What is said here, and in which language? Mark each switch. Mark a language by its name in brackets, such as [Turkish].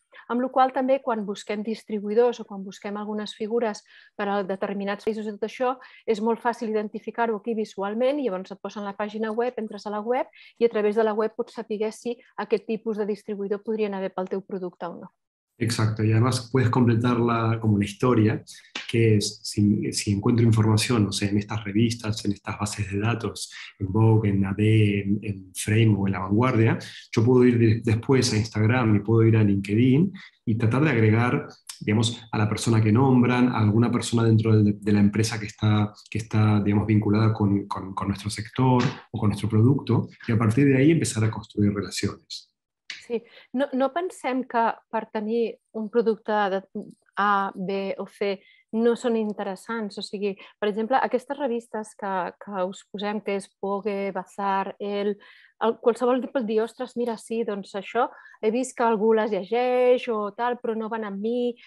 [Catalan] Amb la qual cosa, també, quan busquem distribuïdors o quan busquem algunes figures per a determinats països i tot això, és molt fàcil identificar-ho aquí visualment i llavors et posen la pàgina web, entres a la web i a través de la web pots saber si aquest tipus de distribuïdor podrien haver pel teu producte o no. [Spanish] Exacto, y además puedes completar como la historia, que es si encuentro información, no sé, en estas revistas, en estas bases de datos, en Vogue, en AD, en Frame o en La Vanguardia, yo puedo ir después a Instagram y puedo ir a LinkedIn y tratar de agregar, digamos, a la persona que nombran, a alguna persona dentro de la empresa que está digamos, vinculada con nuestro sector o con nuestro producto, y a partir de ahí empezar a construir relaciones. [Catalan] Sí, no pensem que per tenir un producte de A, B o C no són interessants, o sigui, per exemple, aquestes revistes que us posem, que és Vogue, Bazaar, qualsevol tipus dir, ostres, mira, sí, doncs això, he vist que algú les llegeix o tal, però no van amb mi.